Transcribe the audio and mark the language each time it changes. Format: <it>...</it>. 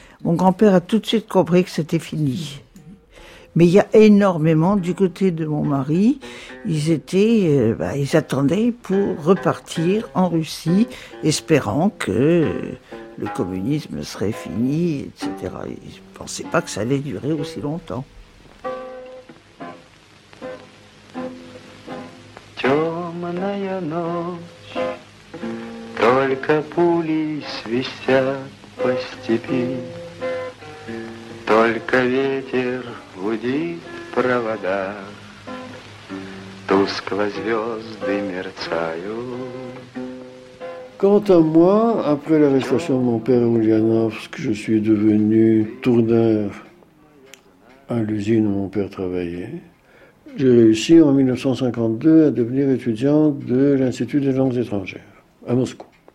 <fr>Mon grand-père a tout de suite compris que c'était fini. Mais il y a énormément, du côté de mon mari, ils attendaient pour repartir en Russie, espérant que le communisme serait fini, etc. Ils ne pensaient pas que ça allait durer aussi longtemps.</fr> <ru>Темная ночь, только пули свистят по степи, только ветер гудит в проводах, тускло звезды мерцают.</ru> <fr>Quant à moi, après l'arrestation de mon père à Ulyanovsk, je suis devenu tourneur à l'usine où mon père travaillait. J'ai réussi en 1952 à devenir étudiant de l'Institut des langues étrangères à Moscou.</fr>